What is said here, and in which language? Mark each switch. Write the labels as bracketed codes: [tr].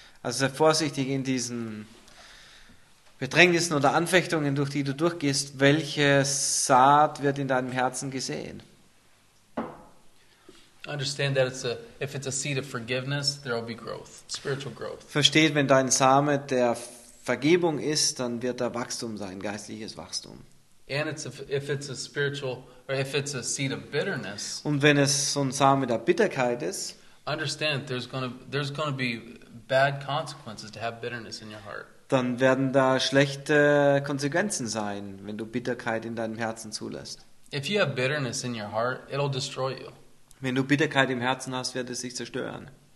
[de] Also sei vorsichtig in diesen Bedrängnissen oder Anfechtungen, durch die du durchgehst, welche Saat wird in deinem Herzen gesehen? [en] Understand that if it's a seed of forgiveness, there will be growth, spiritual growth. [de] Versteht, wenn dein Same der Vergebung ist, dann wird da Wachstum sein, geistliches Wachstum. [en] And if it's a spiritual, or if it's a seed of bitterness. [de] Und wenn es so ein Same der Bitterkeit ist. [en] Understand, there's gonna be bad consequences to have bitterness in your heart. [de] Dann werden da schlechte Konsequenzen sein, wenn du Bitterkeit in deinem Herzen zulässt. [en] If you have bitterness in your heart, it'll destroy you. [de] Wenn du Bitterkeit im Herzen hast, wird es dich zerstören.